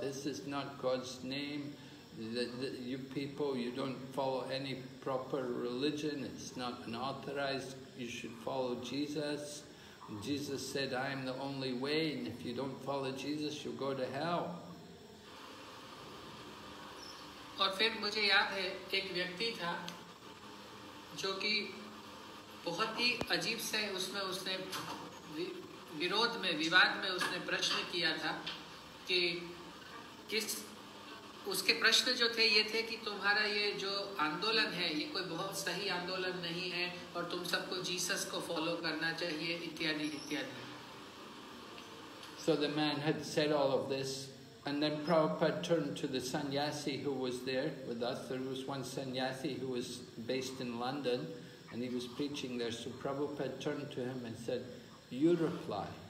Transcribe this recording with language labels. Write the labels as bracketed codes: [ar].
[en] This is not God's name. You people, you don't follow any proper religion. It's not an authorized. You should follow Jesus. Jesus said, 'I am the only way.' And if you don't follow Jesus, you'll go to hell." [hi] और फिर मुझे याद है एक व्यक्ति था जो कि बहुत ही अजीब से उसमें उसने विरोध में विवाद में उसने प्रश्न किया था कि किस उसके प्रश्न जो थे ये थे कि तुम्हारा ये जो आंदोलन है ये कोई बहुत सही आंदोलन नहीं है और तुम सबको जीसस को फॉलो करना चाहिए इत्यादि इत्यादि। [en] So the man had said all of this and then Prabhupada turned to the sannyasi who was there with us. There was one sannyasi who was based in London and he was preaching there. So Prabhupada turned to him and said, "You reply."